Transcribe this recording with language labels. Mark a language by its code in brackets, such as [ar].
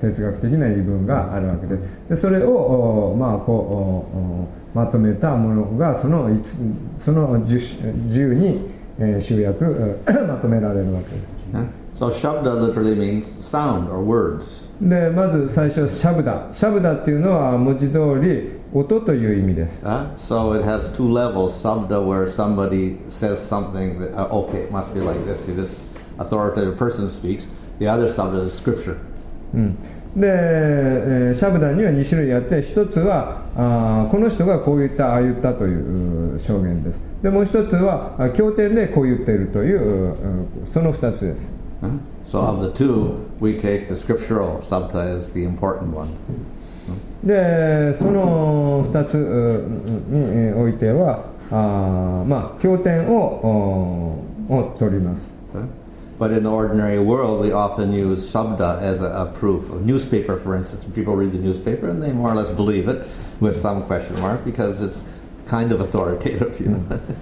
[ja] 哲学的な言い分があるわけです。でそれを、まあ、こうまとめたものがその10に、集約まとめられるわけです。 [en] So shabda literally means sound or words. [ja] でまず最初シャブダっていうのは文字通り音という意味です。 [en] So it has two levels, sabda where somebody says something that, okay, it must be like this, this authoritative person speaks, the other sabda is scripture. [ja] で、シャブダには2種類あって、1つはこの人がこう言ったああ言ったという証言です。でもう一つは経典でこう言っているという、その二つです。 [en] So of the two we take the scriptural sabda as the important one. [ja] でその二つにおいては、まあ経典 を取ります。 [en] But in the ordinary world we often use sabda as a proof. A newspaper for instance, people read the newspaper and they more or less believe it with some question mark because it's kind of authoritative, you know.